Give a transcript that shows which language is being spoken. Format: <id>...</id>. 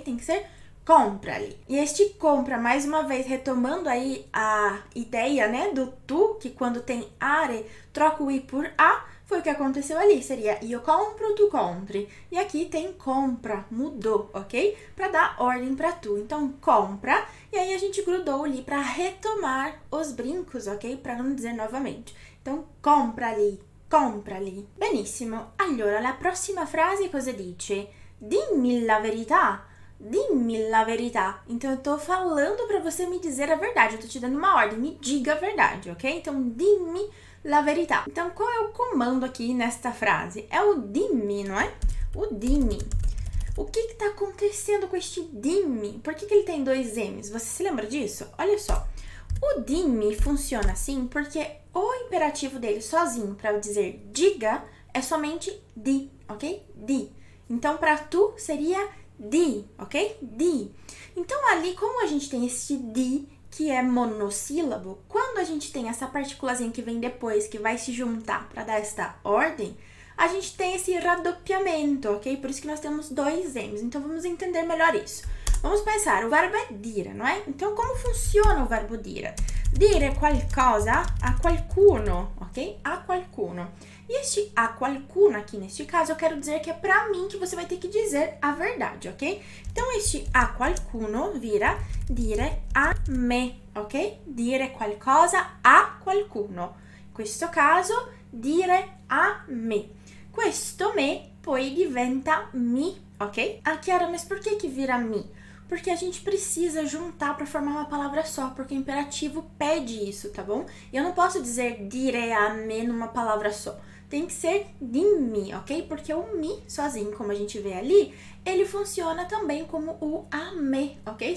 <pt>Tem que ser comprali. E este compra, mais uma vez, retomando aí a ideia, né, do tu, que quando tem are, troca o i por a, foi o que aconteceu ali. Seria</pt> <it>io compro, tu compri.</it> <pt>E aqui tem compra, mudou, ok? Para dar ordem para tu. Então, compra. E aí a gente grudou ali para retomar os brincos, ok? Para não dizer novamente. Então,</pt> <it>comprali, comprali. Benissimo. Allora, la prossima frase cosa dice? Dimmi la verità. Dimmi la verità.</it> <pt>Então eu tô falando para você me dizer a verdade. Eu tô te dando uma ordem. Me diga a verdade, ok? Então,</pt> <it>dimmi la verità.</it> <pt>Então, qual é o comando aqui nesta frase? É o dimmi, não é? O dimmi. O que que tá acontecendo com este dimmi? Por que que ele tem dois M's? Você se lembra disso? Olha só. O dimmi funciona assim porque o imperativo dele sozinho para dizer diga é somente di, ok? Di. Então, para tu seria di, ok? Di. Então, ali, como a gente tem esse di, que é monossílabo, quando a gente tem essa partículazinha que vem depois, que vai se juntar para dar esta ordem, a gente tem esse radopiamento, ok? Por isso que nós temos dois M's. Então, vamos entender melhor isso. Vamos pensar, o verbo é dire, não é? Então, como funciona o verbo dire?</pt> <it>Dire qualcosa a qualcuno, ok? A qualcuno.</it> <pt>E este a qualcuno aqui neste caso, eu quero dizer que é para mim que você vai ter que dizer a verdade, ok? Então, este a qualcuno vira</pt> <it>dire a me,</it> <pt>ok?</pt> <it>Dire qualcosa a qualcuno. In questo caso, dire a me. Questo me poi diventa mi, ok?</it> <pt>Ah, Chiara, mas por que que vira mi? Porque a gente precisa juntar para formar uma palavra só, porque o imperativo pede isso, tá bom? E eu não posso dizer</pt> <it>dire a me</it> <pt>numa palavra só. Tem que ser dimmi, ok? Porque o mi sozinho, como a gente vê ali, ele funciona também como o a me, ok?</pt>